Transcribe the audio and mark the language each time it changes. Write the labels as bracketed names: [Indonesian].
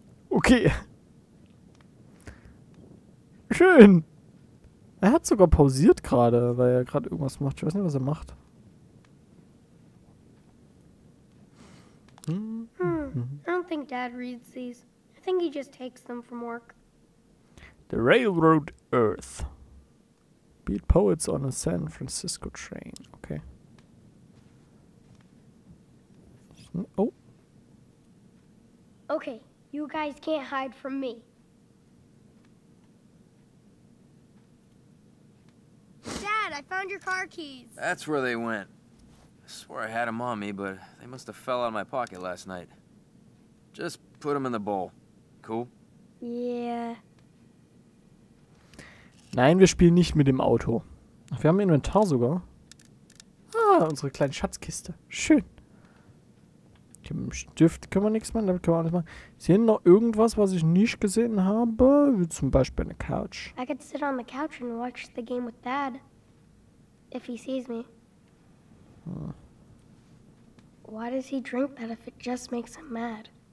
[English] Okay. [German] Schön. Er hat sogar pausiert gerade, weil er gerade irgendwas macht. Ich weiß nicht, was er macht. [English] I don't think Dad reads these. I think he just takes them from work. The Railroad Earth. Beat Poets on a San Francisco Train. Okay. Oh. Okay. You guys can't hide from me. Dad, I found your car keys. That's where they went. I swear I had them on me, but they must have fell out of my pocket last night. Just put them in the bowl. Cool? Yeah. [German] Nein, wir spielen nicht mit dem Auto. Ach, wir haben Inventar sogar. Ah, unsere kleine Schatzkiste. Schön. Mit dem Stift können wir nichts machen, damit können wir alles machen. Sehen noch irgendwas, was ich nicht gesehen habe? Wie zum Beispiel eine Couch. [English] I could sit on the couch and watch the game with Dad. If he sees me. Hm. Why does he drink that if it just makes him mad?